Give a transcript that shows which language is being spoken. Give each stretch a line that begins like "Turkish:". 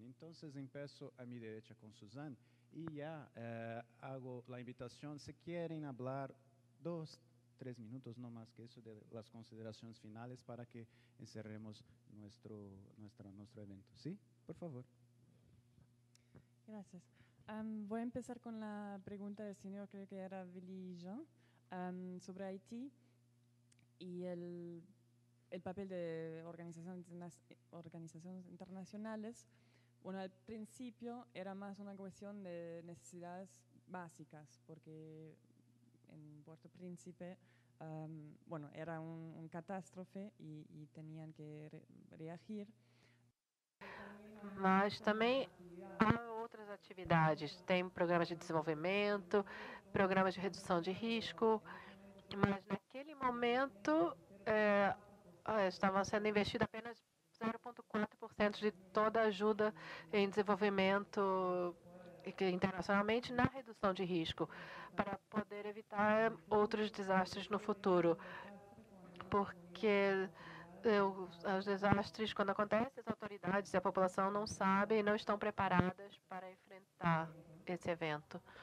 Portuguese: Então, empiezo a minha direita com Suzanne e já hago a invitação. Se querem falar 2-3 minutos, não mais que isso, de las considerações finais para que encerremos nosso evento. Sim, por favor.
Spanish: Gracias. Voy a empezar con la pregunta del señor, creo que era Willy Jean, sobre Haití y el papel de organizaciones internacionales. Bueno, al principio era más una cuestión de necesidades básicas, porque en Puerto Príncipe, bueno, era un catástrofe y tenían que reagir.
Portuguese: Mas também há outras atividades, tem programas de desenvolvimento, programas de redução de risco, mas naquele momento estava sendo investido apenas 0,4% de toda a ajuda em desenvolvimento internacionalmente na redução de risco, para poder evitar outros desastres no futuro, porque os desastres, quando acontecem, as autoridades e a população não sabem e não estão preparadas para enfrentar esse evento.